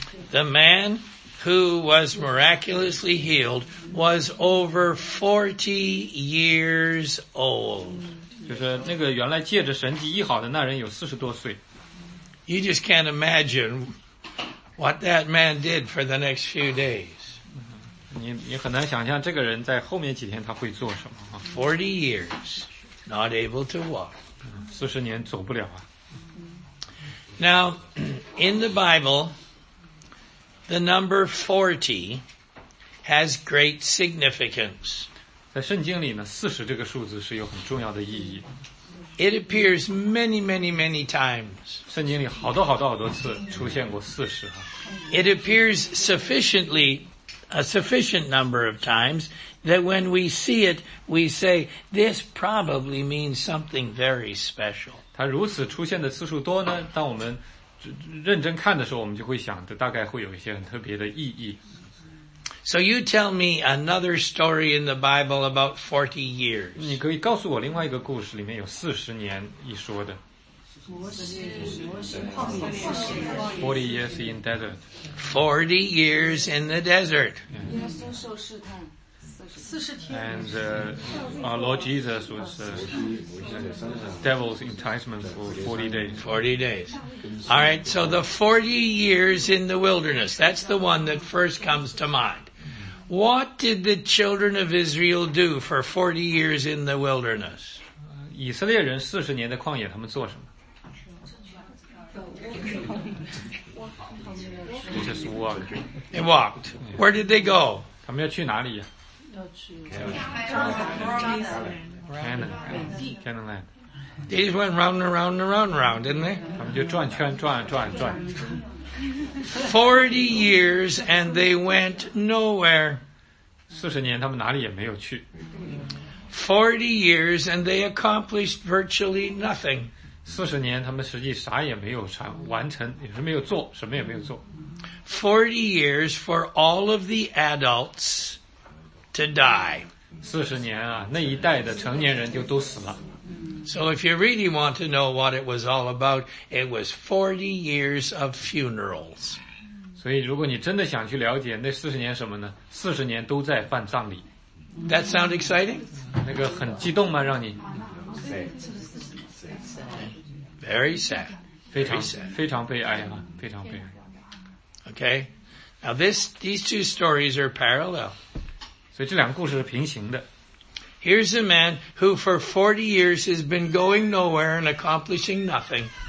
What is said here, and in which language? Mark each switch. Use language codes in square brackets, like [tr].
[en] The man who was miraculously healed was over 40 years old. [zh] 就是那个原来借着神迹医好的那人有40多岁。 [en] You just can't imagine what that man did for the next few days. [zh] 你很难想象这个人在后面几天他会做什么。 [en] 40 years, not able to walk. [zh] 40年走不了啊。 [en] Now, in the Bible, the number 40 has great significance. [zh] 在圣经里呢 ,40 这个数字是有很重要的意义。 [en] It appears many, many, many times. [zh] 圣经里好多好多好多次出现过40。 [en] It appears sufficiently, a sufficient number of times that when we see it, we say, this probably means something very special. [zh] 它如此出现的次数多呢，当我们认真看的时候，我们就会想，这大概会有一些很特别的意义。 [en] So you tell me another story in the Bible about 40 years. [zh] 你可以告诉我另外一个故事里面有40年一说的。 [en] 40 years in desert. 40 years in the desert. And our Lord Jesus was devil's enticement for 40 days. 40 days. All right, so the 40 years in the wilderness, that's the one that first comes to mind. What did the children of Israel do for 40 years in the wilderness? [zh] 以色列人40年的旷野他们做什么? [en] They just walked. They walked. Where did they go? [zh] 他们要去哪里呀? [en] Canaan land. They just went round and round and round and round, didn't they? [zh] 他们就转圈转转转。 [en] 40 years and they went nowhere. [zh] 40年他们哪里也没有去。 [en] 40 years and they accomplished virtually nothing. [zh] 40年他们实际啥也没有完成，也是没有做，什么也没有做。 [en] 40 years for all of the adults to die. [zh] 40年啊，那一代的成年人就都死了。 [en] So if you really want to know what it was all about, it was 40 years of funerals. [zh] 所以如果你真的想去了解那40年什么呢 ?40 年都在办葬礼。 [en] That sound exciting? [zh] 那个很激动吗让你 [en] Very sad. [zh] 非常非常悲哀啊非常悲哀。 [en] Okay. Now these two stories are parallel. [zh] 所以这两个故事是平行的。 [en] Here's a man who for 40 years has been going nowhere and accomplishing nothing.